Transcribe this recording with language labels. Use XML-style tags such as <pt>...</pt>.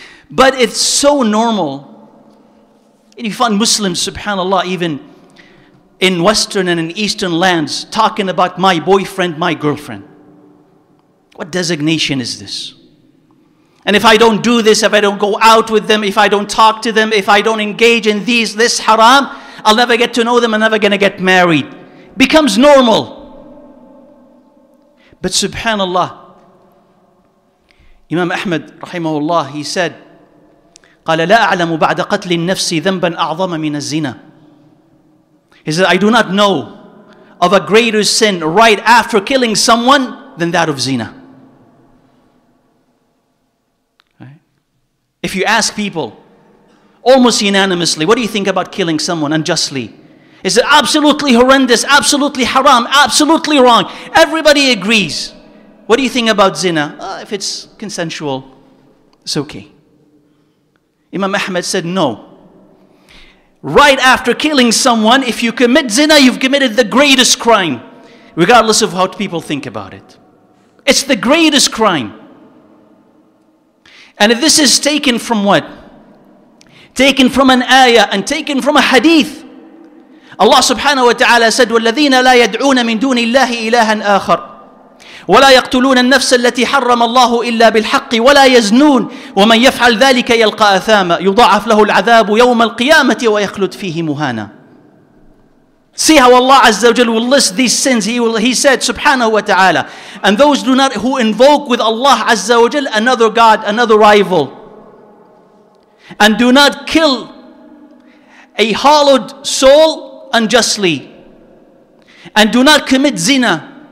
<en>But it's so normal. And you find Muslims, subhanAllah, even in Western and in Eastern lands, talking about my boyfriend, my girlfriend. What designation is this? And if I don't do this, if I don't go out with them, if I don't talk to them, if I don't engage in this haram, I'll never get to know them, I'm never going to get married. Becomes normal. But subhanAllah, Imam Ahmad, rahimahullah, he said,</en> <ar>قال لا أعلم بعد قتل النفس ذنبا أعظم من الزنا.</ar> <en>He said, I do not know of a greater sin right after killing someone than that of zina. Right? If you ask people, almost unanimously, what do you think about killing someone unjustly? He said, absolutely horrendous, absolutely haram, absolutely wrong. Everybody agrees. What do you think about zina? If it's consensual, it's okay. Imam Ahmad said, no. Right after killing someone, if you commit zina, you've committed the greatest crime, regardless of how people think about it. It's the greatest crime. And if this is taken from what? Taken from an ayah and taken from a hadith. Allah subhanahu wa ta'ala said,</en> <ar>وَالَّذِينَ لَا يَدْعُونَ مِن دُونِ اللَّهِ إِلَهًا آخَرَ ولا يقتلون النفس التي حرم الله إلا بالحق ولا يزنون ومن يفعل ذلك يلقى أثاما يضاعف له العذاب يوم القيامة ويخلد فيه مهانا.</ar> <en>See how Allah Azza wa Jalla will list these sins. He said subhanahu wa ta'ala, and those do not who invoke with Allah Azza wa Jalla another god, another rival, and do not kill a hallowed soul unjustly, and do not commit zina.</en>